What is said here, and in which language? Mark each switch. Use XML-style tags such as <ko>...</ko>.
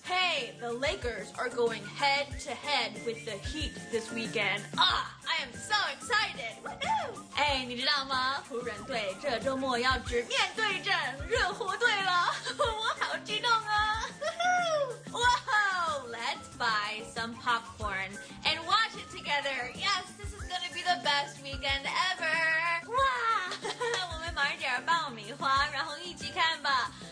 <en>Hey, the Lakers are going head to head with the Heat this weekend. Ah, I am so excited! Woohoo! Hey,</en> <zh>你知道吗？湖人队这周末要直面对阵热火队了，我好激动啊！ Woohoo!</zh> <en>Let's buy some popcorn and watch it together. Yes, this is gonna be the best weekend ever.</en> <zh>哇，我们买点爆米花，然后一起看吧。</zh>